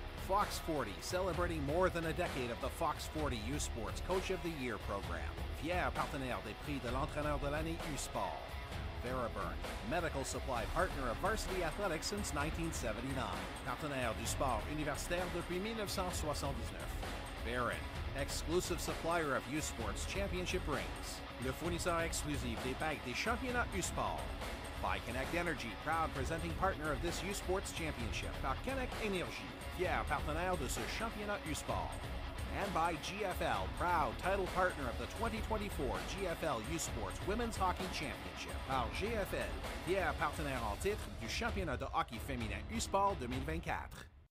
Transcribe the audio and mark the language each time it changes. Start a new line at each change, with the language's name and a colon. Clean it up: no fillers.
English: Fox 40, celebrating more than a decade of the Fox 40 U Sports Coach of the Year program.
French: Fier partenaire des prix de l'entraîneur de l'année U Sport.
English: Veriburn, medical supply partner of varsity athletics since 1979.
French: Partenaire du sport universitaire depuis 1979.
English: Baron, exclusive supplier of U-Sports Championship rings.
French: Le fournisseur exclusif des bagues des championnats U-Sport.
English: By Connect Energy, proud presenting partner of this U-Sports Championship.
French: Par Connect Energy, fier partenaire de ce championnat U-Sport.
English: And by GFL, proud title partner of the 2024 GFL U-Sports Women's Hockey Championship.
French: Par GFL, fier partenaire en titre du championnat de hockey féminin U-Sport 2024.